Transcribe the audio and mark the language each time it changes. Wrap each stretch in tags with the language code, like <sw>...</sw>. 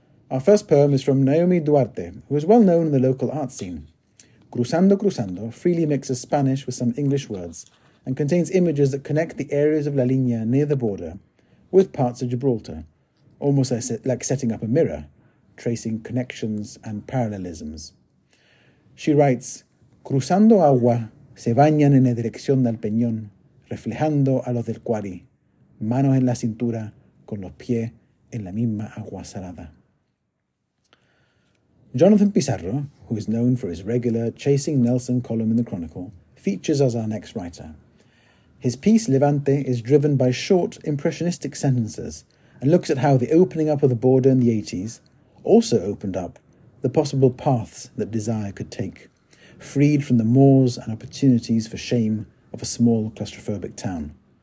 <en>Our first poem is from Naomi Duarte, who is well known in the local art scene. Cruzando Cruzando freely mixes Spanish with some English words and contains images that connect the areas of La Línea near the border with parts of Gibraltar, almost like setting up a mirror, tracing connections and parallelisms. She writes,</en> <es>"Cruzando agua, se bañan en la dirección del peñón, reflejando a los del Cuari, manos en la cintura, con los pies en la misma agua salada."</es> <en>Jonathan Pizarro, who is known for his regular Chasing Nelson column in the Chronicle, features as our next writer. His piece Levante is driven by short, impressionistic sentences and looks at how the opening up of the border in the 80s also opened up the possible paths that desire could take, freed from the mores and opportunities for shame of a small claustrophobic town.</en>